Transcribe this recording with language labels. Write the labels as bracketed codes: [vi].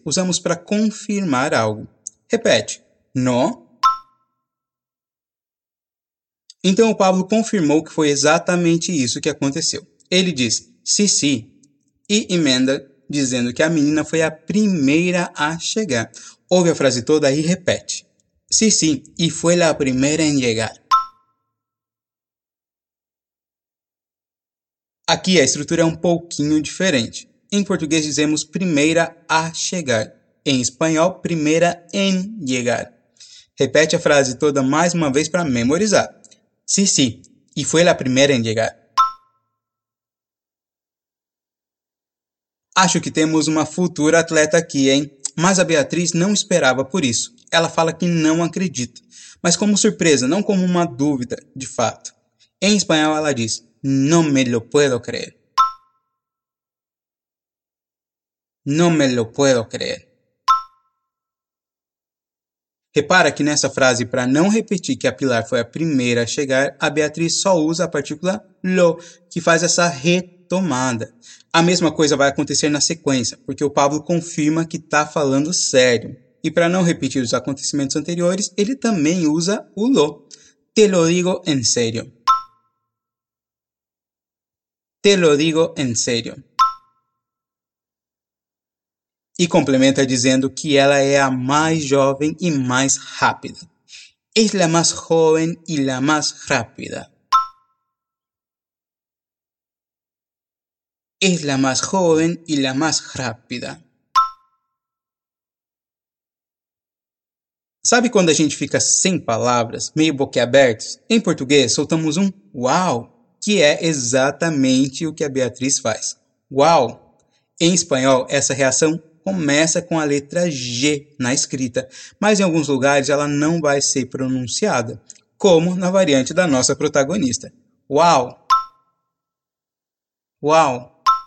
[pt] Usamos para confirmar algo. Repete. No. Então, o Pablo confirmou que foi exatamente isso que aconteceu. Ele diz, [es] sí, sí. [pt] E emenda, dizendo que a menina foi a primeira a chegar. Ouve a frase toda e repete. [es] Sí, sí, y fue la primera en llegar. [pt] Aqui a estrutura é um pouquinho diferente. Em português dizemos primeira a chegar. em espanhol, primeira [es] en llegar. [pt] Repete a frase toda mais uma vez para memorizar. [es] Sí, sí, y fue la primera en llegar. [pt] Acho que temos uma futura atleta aqui, hein? Mas a Beatriz não esperava por isso. Ela fala que não acredita. Mas como surpresa, não como uma dúvida, de fato. Em espanhol ela diz, [es] no me lo puedo creer. No me lo puedo creer. [pt] Repara que nessa frase, para não repetir que a Pilar foi a primeira a chegar, a Beatriz só usa a partícula lo, que faz essa retomada. A mesma coisa vai acontecer na sequência, porque o Pablo confirma que está falando sério. E para não repetir os acontecimentos anteriores, ele também usa o lo. [es] Te lo digo en serio. Te lo digo en serio. [pt] E complementa dizendo que ela é a mais jovem e mais rápida. [es] Es la más joven y la más rápida. Es la más joven y la más rápida. [pt] Sabe quando a gente fica sem palavras, meio boquiabertos? Em português, soltamos um uau, que é exatamente o que a Beatriz faz. Uau! Em espanhol, essa reação começa com a letra G na escrita, mas em alguns lugares ela não vai ser pronunciada, como na variante da nossa protagonista. Uau! Uau!